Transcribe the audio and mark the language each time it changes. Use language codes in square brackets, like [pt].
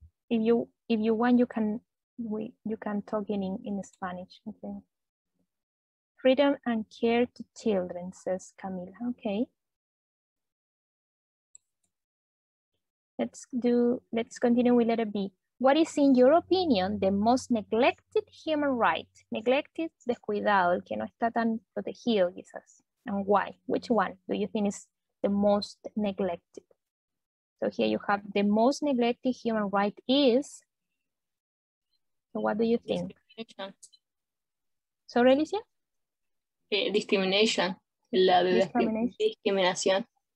[en] If you want, you can talk in Spanish. Okay. Freedom and care to children, says Camila. Okay. Let's continue with letter B. What is, in your opinion, the most neglected human right? [es] Neglected, descuidado, el que no está tan protegido, quizás. [en] And why? Which one do you think is the most neglected? So here you have the most neglected human right is. So what do you think? Discrimination. Sorry, Alicia? [es] Discrimination. La de discriminación.